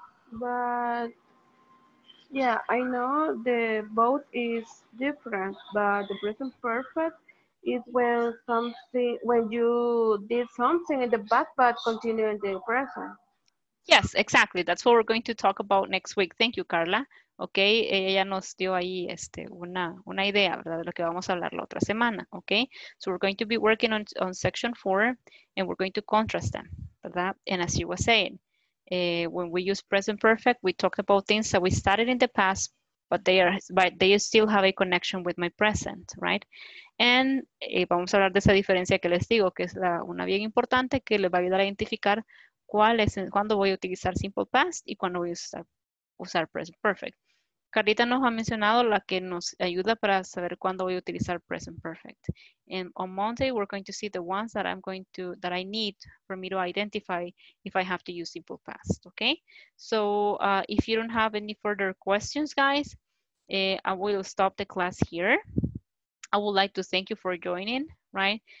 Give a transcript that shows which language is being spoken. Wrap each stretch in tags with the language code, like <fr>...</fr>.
<en>But yeah, I know the both is different, but the present perfect is when something, when you did something in the past but continue in the present. Yes, exactly. That's what we're going to talk about next week. Thank you, Carla.</en> <es>Okay, ella nos dio ahí una idea, ¿verdad? De lo que vamos a hablar la otra semana, okay?</es> <en>So we're going to be working on section four, and we're going to contrast them,</en> <es>¿verdad?</es> <en>And as you were saying, when we use present perfect, we talked about things that we started in the past, but they still have a connection with my present, right?</en> <es>And vamos a hablar de esa diferencia que les digo, que es una bien importante que les va a ayudar a identificar cuándo voy a utilizar simple past y cuándo voy a usar present perfect. Carlita nos ha mencionado la que nos ayuda para saber cuándo voy a utilizar present perfect.</es> <en>And on Monday, we're going to see the ones that I'm going to, that I need for me to identify if I have to use simple past, okay? So if you don't have any further questions, guys, I will stop the class here. I would like to thank you for joining, right?</en>